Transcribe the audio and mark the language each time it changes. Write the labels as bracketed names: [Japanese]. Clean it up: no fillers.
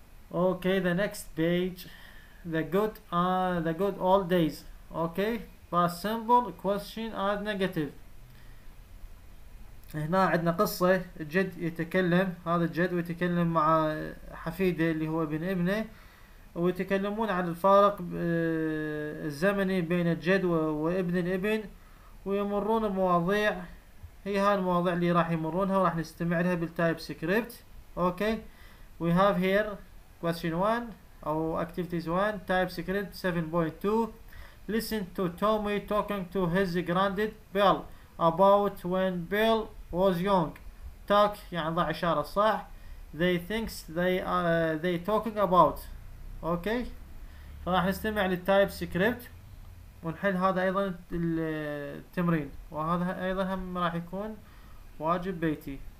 [English] Okay, the next page, the good old days. Okay, past simple, question and negative. [Arabic] هنا عندنا قصة جد يتكلم، هذا الجد ويتكلم مع حفيده اللي هو ابن ابنه، ويتكلمون عن الفارق الزمني بين الجد وابن الابن، ويمرون مواضيع. هي هاي المواضيع اللي راح يمرونها وراح نستمع لها بالتايب سكريبت. [English] Okay, we have here question 1 او activities 1 type script 7.2. listen to Tommy talking to his granddad Bill about when Bill was young. [Arabic] talk يعني ضع اشاره صح. [English] they thinks they talking about. [Arabic] اوكي، فراح نستمع للتايب سكريبت ونحل هذا ايضا التمرين، وهذا ايضا هم راح يكون واجب بيتي.